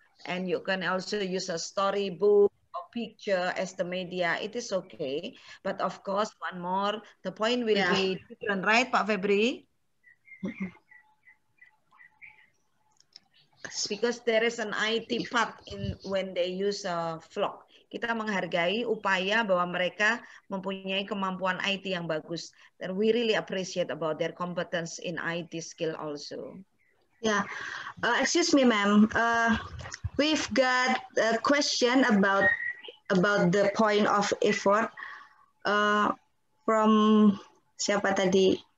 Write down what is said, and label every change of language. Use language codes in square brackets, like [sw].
[en] And you can also use a storybook or picture as the media. It is okay, but of course one more, the point will be different, right, Pak Febri? Because there is an IT part in when they use a vlog. [id] Kita menghargai upaya bahwa mereka mempunyai kemampuan IT yang bagus. [en] And we really appreciate about their competence in IT skill also. Yeah. Excuse me, ma'am. We've got a question about the point of effort from [id] siapa tadi?